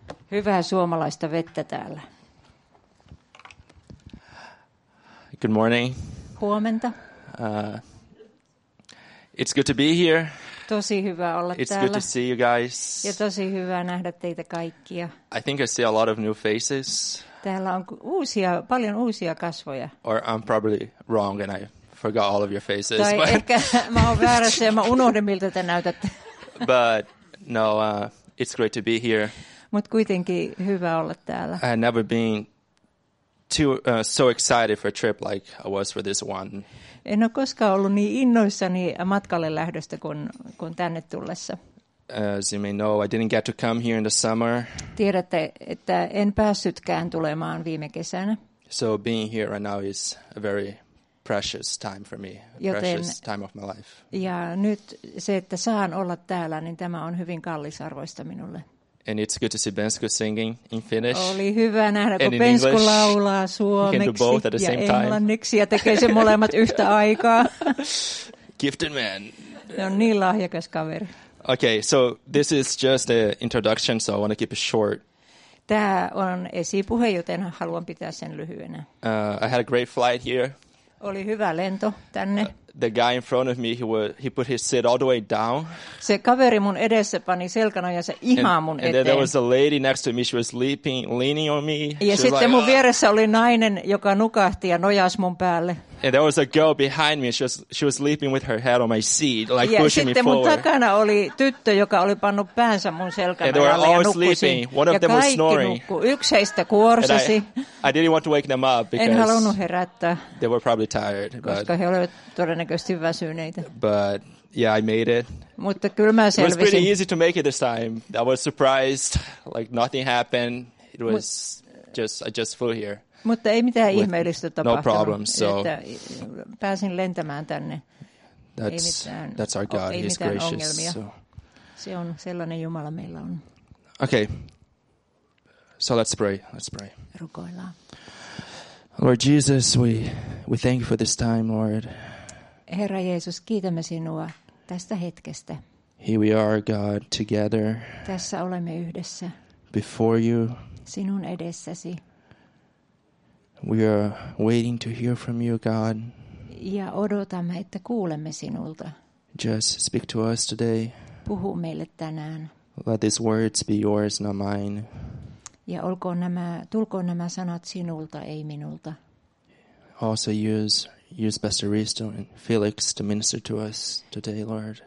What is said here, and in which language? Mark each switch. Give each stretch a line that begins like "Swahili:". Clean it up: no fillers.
Finnish: Hyvää suomalaista vettä täällä.
English: Good morning.
Finnish: Huomenta.
English: It's good to be here.
Finnish: Tosi hyvä olla
English: it's
Finnish: täällä.
English: Good to see you guys.
Finnish: Ja tosi hyvä nähdä teitä kaikkia.
English: I think I see a lot of new faces.
Finnish: Täällä on uusia, paljon uusia kasvoja.
English: Or I'm probably wrong and I forgot all of your faces.
Finnish: Tai
English: but...
Finnish: ehkä mä oon väärässä ja mä unohdin, miltä te näytätte.
English: But no, it's great to be here.
Finnish: Mut kuitenkin hyvä olla täällä.
English: I had never been too so excited for a trip like I was for this one.
Finnish: En ole koskaan ollut niin innoissani matkalle lähdöstä kuin tänne tullessa.
English: As you may know, I didn't get to come here in the summer.
Finnish: Tiedätte, että en päässytkään tulemaan viime kesänä.
English: So being here right now is a very precious time for me, precious time of my life.
Finnish: Ja nyt se, että saan olla täällä, niin tämä on hyvin kallisarvoista minulle.
English: And it's good to see Bensku singing in Finnish.
Finnish: Oli hyvä nähdä, kun Bensku laulaa suomeksi ja englanniksi ja tekee sen molemmat yhtä aikaa.
English: Gifted man.
Finnish: Ne on niin lahjakas kaveri.
English: Okay, so this is just an introduction, so I want to keep it short.
Finnish: Tämä on esipuhe, joten haluan pitää sen lyhyenä.
English: I had a great flight here.
Finnish: Oli hyvä lento tänne.
English: The guy in front of me, he put his seat all the way down.
Finnish: Se kaveri mun edessä pani selkänojansa ihan mun eteen.
English: And then there was a lady next to me, she was sleeping, leaning on me.
Finnish: Ja sitten mun vieressä oli nainen, joka nukahti ja nojasi mun päälle.
English: And there was a girl behind me, she was sleeping with her head on my seat, like
Finnish: ja
English: pushing me forward.
Finnish: Ja sitten mun takana oli tyttö, joka oli pannut päänsä mun selkänojalle ja nukkusi.
English: And they were all sleeping, one of them was snoring.
Finnish: Yksi heistä kuorsasi.
English: I didn't want to wake them up because
Finnish: en halunnut herättää.
English: They were probably tired.
Finnish: Koska he olivat todennäköisesti väsyneitä.
English: But yeah, I made it.
Finnish: Mutta kyllä mä selvisin.
English: It was pretty easy to make it this time. I was surprised, like nothing happened. It was I just flew here.
Finnish: Mutta ei mitään ihmeellistä tapahtunut.
English: No problem, so.
Finnish: Pääsin lentämään tänne.
English: That's our God. He's gracious. So.
Finnish: Se on sellainen Jumala meillä on.
English: Okay. So let's pray. Let's pray.
Finnish: Rukoillaan.
English: Lord Jesus, we thank you for this time, Lord.
Finnish: Herra Jeesus, kiitämme sinua tästä hetkestä.
English: Here we are, God, together.
Finnish: Tässä olemme yhdessä.
English: Before you.
Finnish: Sinun edessäsi.
English: We are waiting to hear from you, God.
Finnish: Ja odotamme, että kuulemme sinulta.
English: Just speak to us today.
Finnish: Puhu meille tänään.
English: Let these words be yours, not mine.
Finnish: Ja olkoon nämä, tulkoon nämä sanat sinulta, ei minulta.
English: Also use Pastor Risto and Felix to minister to us today, Lord.